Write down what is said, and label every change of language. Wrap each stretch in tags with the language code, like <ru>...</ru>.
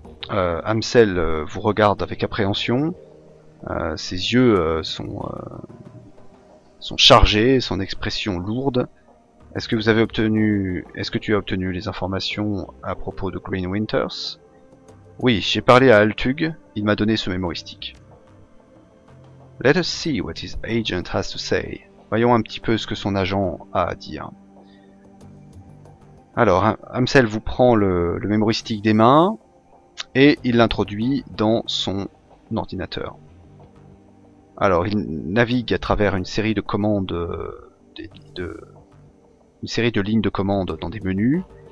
<fr>Hamsel vous regarde avec appréhension. Ses yeux sont chargés, son expression lourde. Est-ce que tu as obtenu les informations à propos de Green Winters? Oui, j'ai parlé à Altug. Il m'a donné ce mémoristique.</fr> <en>Let us see what his agent has to say.</en> <fr>Voyons un petit peu ce que son agent a à dire. Alors, Hamsel vous prend le mémoristique des mains. Et il l'introduit dans son ordinateur. Alors, il navigue à travers une série de commandes, une série de lignes de commandes dans des menus.</fr>